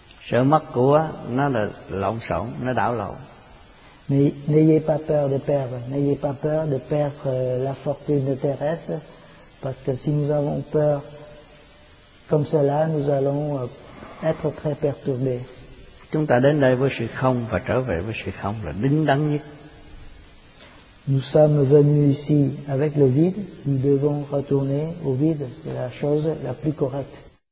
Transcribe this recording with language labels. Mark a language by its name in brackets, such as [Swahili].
[Vietnamese] Sợ mất của nó là lộn xộn, nó đảo lộn. [French] N'ayez pas peur de perdre. N'ayez pas peur de perdre la fortune terrestre. Parce que si nous avons peur comme cela, nous allons être très perturbés. [Vietnamese] Chúng ta đến đây với sự không và trở về với sự không là đính đắn nhất. [French] Nous sommes venus ici avec le vide, nous devons retourner au vide, c'est la chose la plus correcte.